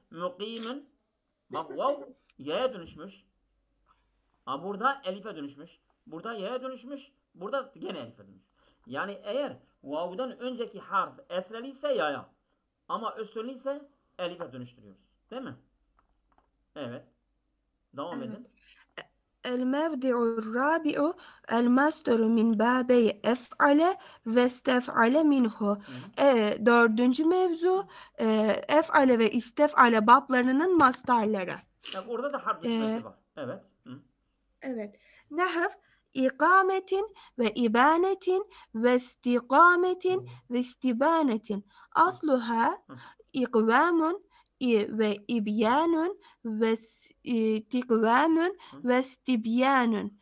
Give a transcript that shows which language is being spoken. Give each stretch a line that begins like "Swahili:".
Turkish: Mukimin bak vav ya'ya dönüşmüş. Ha burada elife dönüşmüş. Burada ya'ya dönüşmüş. Burada gene elife dönüşmüş. Yani eğer vav'dan önceki harf esreli ise ya'ya ama üstünlü ise elife dönüştürüyoruz. Değil mi? Evet. Devam edin.
Arabic: الموضع الرابع المصدر من بابي أفعل واستفعل منه.
Turkish: Dördüncü mevzu أفعل واستفعل باب'larının مصدرları. Orada da harf dışında var. Evet. Evet.
Arabic: نحو إقامة وإبانة واستقامة واستبانة. أصلها إقوام وإبيان واستقوام واستبيان.